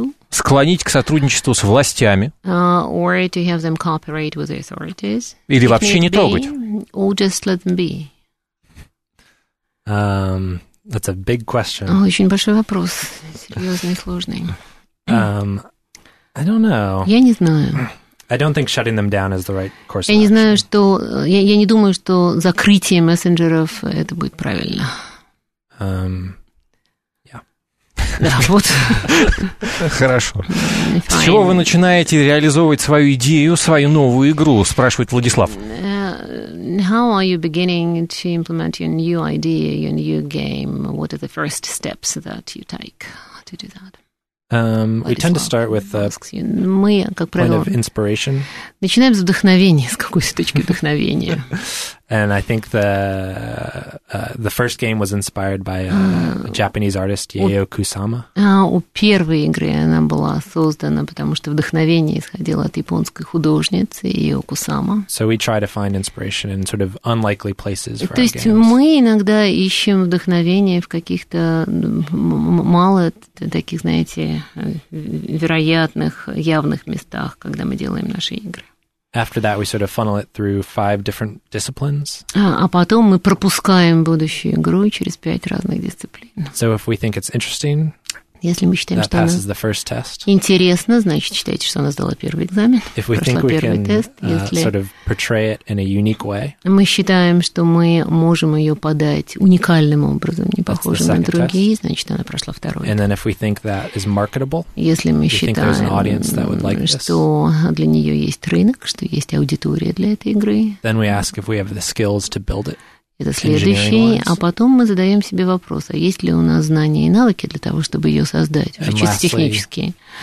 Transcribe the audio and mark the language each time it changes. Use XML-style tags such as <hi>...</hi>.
<ru>Склонить к сотрудничеству с властями. Или вообще не трогать.</ru> <en>That's a big question.</en> <ru>Oh, очень большой вопрос, серьезный, сложный.</ru> <en>I don't know.</en> <ru>Я не знаю.</ru> <en>I don't think shutting them down is the right course.</en> <ru>Я не знаю, что я не думаю, что закрытие мессенджеров это будет правильно.</ru> <en>Yeah.</en> <ru>Вот. Хорошо. С чего вы начинаете реализовывать свою идею, свою новую игру? Спрашивает Владислав.</ru> <en>How are you beginning to implement your new idea, your new game? What are the first steps that you take to do that? We tend to start with a point of inspiration.</en> <ru>Начинаем с вдохновения, с какой-то точки вдохновения.</ru> <en>And I think the first game was inspired by a Japanese artist, Yayo Kusama.</en> <ru>У первой игры она была создана, потому что вдохновение исходило от японской художницы Yayo Kusama.</ru> <en>So we try to find inspiration in sort of unlikely places for our</en> <ru>games. То есть мы иногда ищем вдохновение в каких-то мало таких, знаете, вероятных, явных местах, когда мы делаем наши игры.</ru> <en>After that, we sort of funnel it through five different disciplines.</en> <ru>А потом мы пропускаем будущую игру через пять разных дисциплин.</ru> <en>So if we think it's interesting,</en> <ru>если мы считаем,</ru> <en>that passes the first test.</en> <ru>Интересно, значит, считайте, что она сдала первый экзамен,</ru> <en>if we think</en> <ru>прошла первый тест. Если</ru> <en>sort of portray it in a unique way,</en> <ru>мы считаем, что мы можем ее подать уникальным образом, не похожим на другие,</ru> <en>test.</en> <ru>Значит, она прошла второй тест.</ru> <en>And then if we think that is marketable,</en> <ru>если мы считаем, что для нее есть рынок, что есть аудитория для этой игры,</ru> <en>then we ask if we have the skills to build it.</en> <ru>Это следующий, а потом мы задаем себе вопрос, а есть ли у нас знания и навыки для того, чтобы ее создать, уже чисто технические.</ru>